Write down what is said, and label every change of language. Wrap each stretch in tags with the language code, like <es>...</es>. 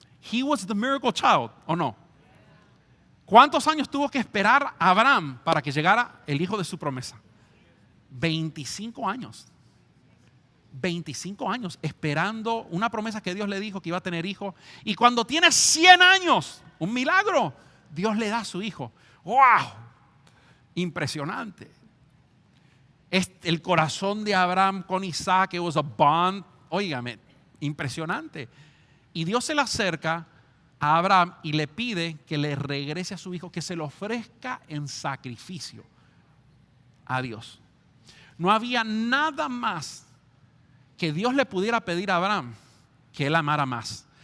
<en>He was the miracle child,</en> <es>¿o no? ¿Cuántos años tuvo que esperar Abraham para que llegara el hijo de su promesa? 25 años. 25 años esperando una promesa que Dios le dijo que iba a tener hijo. Y cuando tiene 100 años, un milagro, Dios le da a su hijo. ¡Wow! Impresionante. El corazón de Abraham con Isaac,</es> <en>it was a bond.</en> <es>Óigame, impresionante. Y Dios se le acerca a Abraham y le pide que le regrese a su hijo, que se lo ofrezca en sacrificio a Dios. No había nada más que Dios le pudiera pedir a Abraham que él amara más.</es>